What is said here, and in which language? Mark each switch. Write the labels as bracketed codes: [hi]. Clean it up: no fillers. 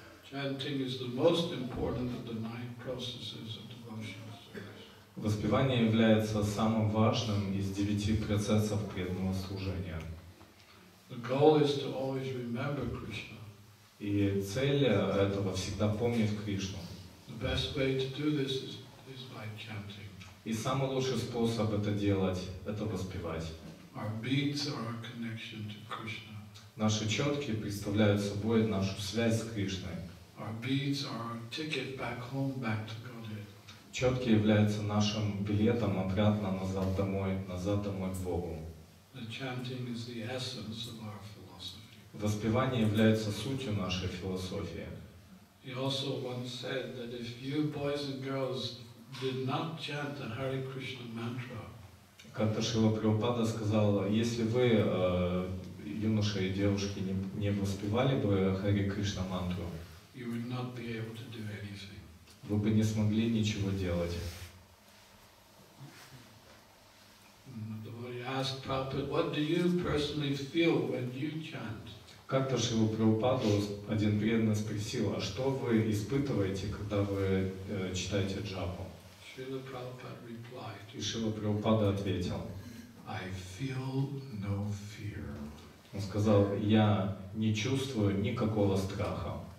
[en] Chanting is the most important of the nine processes of devotional service. [ru] Воспевание является самым важным из девяти процессов преданного служения. [en] The goal is to always remember Krishna. [ru] И цель этого всегда помнить Кришну. [en] The best way to do this is by chanting. [ru] И самый лучший способ это делать, это воспевать. [en] Our beats are our connection to Krishna. [ru] Наши четки представляют собой нашу связь с Кришной. [en] Our beats are our ticket back home, back to Godhead. [ru] Четки являются нашим билетом обратно назад домой к Богу. [en] The chanting is the essence of our philosophy. [ru] Воспевание является сутью нашей философии. [en] He also once said that if you boys and girls did not chant the Hare Krishna mantra. [ru] Как-то Шрила Прабхупада сказал, если вы, юноши и девушки, не воспевали бы Хари Кришна мантру, [en] you would not be able to do anything. [ru] Вы бы не смогли ничего делать. [en] The Lord asked Prabhupada, what do you personally feel when you chant? [ru] Как-то Шрила Прабхупада один преданный спросил, а что вы испытываете, когда вы читаете джапу? [en] Шрила Прабхупада replied. [ru] И Шрила Прабхупада ответил. [en] I feel no fear. [ru] Он сказал, я не чувствую никакого страха.